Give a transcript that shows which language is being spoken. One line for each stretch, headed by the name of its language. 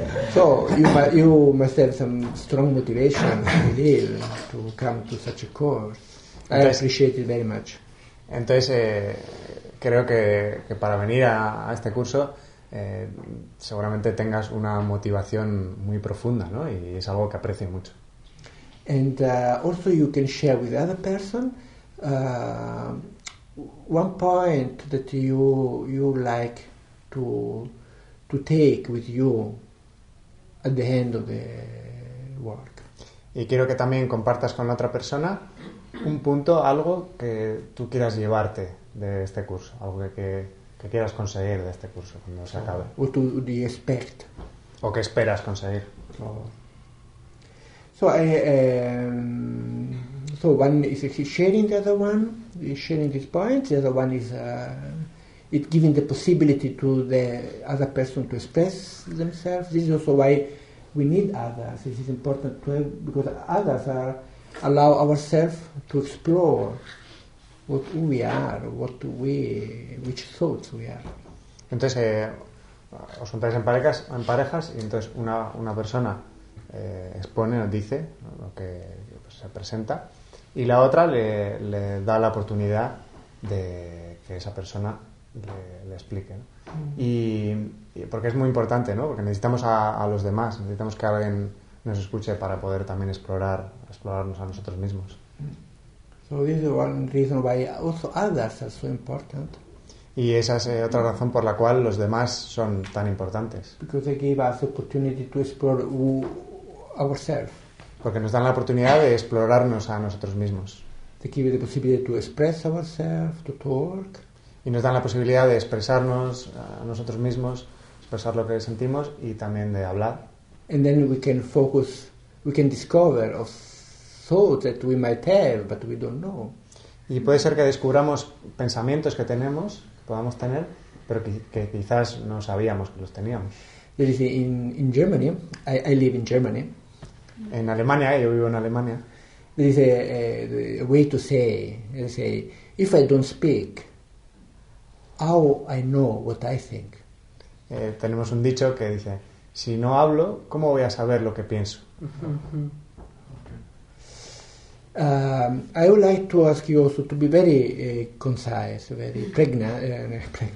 English: So you must have some strong motivation, I believe, to come to such a course.
Spanish: Entonces,
English: I appreciate it very much.
Spanish: Entonces creo que para venir a este curso seguramente tengas una motivación muy profunda, ¿no? Y es algo que aprecio mucho.
English: And also you can share with other person one point that you like to take with you at the end of the work.
Spanish: y quiero que también compartas con la otra persona un punto, algo que tú quieras llevarte de este curso, algo que quieras conseguir de este curso cuando se acabe.
English: What do you expect?
Spanish: O qué esperas conseguir.
English: So one is sharing the other one, sharing this point. The other one is it giving the possibility to the other person to express themselves. This is also why we need others. This is important to have, because others are allow ourselves to explore what we are, what we, which thoughts we are.
Spanish: Entonces, os juntáis en parejas y entonces una persona expone o dice lo que pues, se presenta y la otra le da la oportunidad de que esa persona le explique, ¿no? Y porque es muy importante, ¿no? Porque necesitamos a los demás, necesitamos que alguien nos escuche para poder también explorarnos a nosotros mismos.
English: So this is one reason why also others are so important.
Spanish: Y esa es otra razón por la cual los demás son tan importantes.
English: Because they give us the opportunity to explore ourselves.
Spanish: Porque nos dan la oportunidad de explorarnos a nosotros mismos.
English: They give the possibility to express ourselves, to talk.
Spanish: Y nos dan la posibilidad de expresarnos a nosotros mismos, expresar lo que sentimos y también de hablar.
English: And then we can focus, we can discover of thoughts that we might have, but we don't know.
Spanish: Y puede ser que descubramos pensamientos que tenemos, que podamos tener, pero que quizás no sabíamos que los teníamos.
English: In Germany, I live in Germany.
Spanish: En Alemania, yo vivo en Alemania.
English: There is a way to say, if I don't speak, how I know what I think?
Spanish: Tenemos un dicho que dice, si no hablo, ¿cómo voy a saber lo que pienso?
English: I would like to ask you also to be very concise, very pregnant.